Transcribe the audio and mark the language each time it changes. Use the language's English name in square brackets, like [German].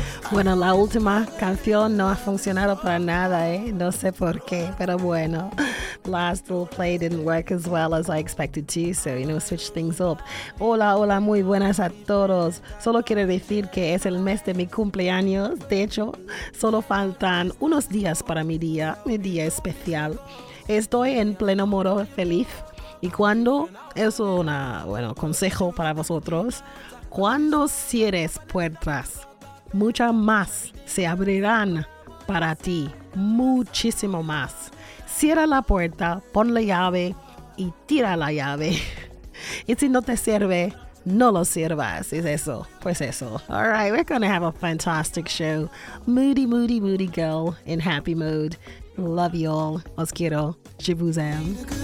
[Spanish] Bueno, la última canción no ha funcionado para nada, eh? No sé por qué, pero bueno. [English] Last little play didn't work as well as I expected to, so, you know, switch things up. [Spanish] Hola, hola, muy buenas a todos. Solo quiero decir que es el mes de mi cumpleaños. De hecho, solo faltan unos días para mi día especial. Estoy en pleno modo feliz. Y cuando, eso es un bueno, consejo para vosotros, cuando cierres puertas, muchas más se abrirán para ti, muchísimo más. Cierra la puerta, pon la llave y tira la llave. Y si no te sirve, no lo sirvas. Es eso, pues eso. [English] All right, we're going to have a fantastic show. Moody, moody, moody girl in happy mood. Love you all. [Spanish] Os quiero. [French] Je vous aime.